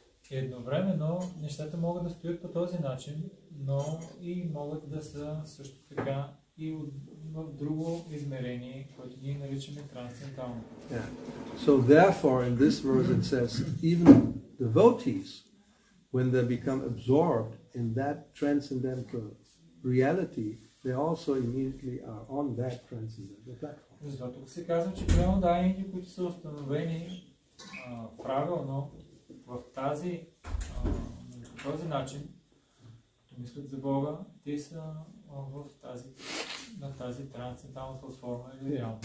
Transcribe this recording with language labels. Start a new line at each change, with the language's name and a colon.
Bulgarian: Едновременно нещата могат да стоят по този начин, но и могат да са също така и в друго измерение, което ние наричаме трансцендентално.
English: Yeah. So therefore in this verse it says even devotees, when they become absorbed in that transcendental reality, they also immediately are on that transcendental platform.
Bulgarian: Защото се казва, че преондайните, които са установени правилно в тази този начин, като мислят за Бога, те са в тази трансцендентална платформа или реалност.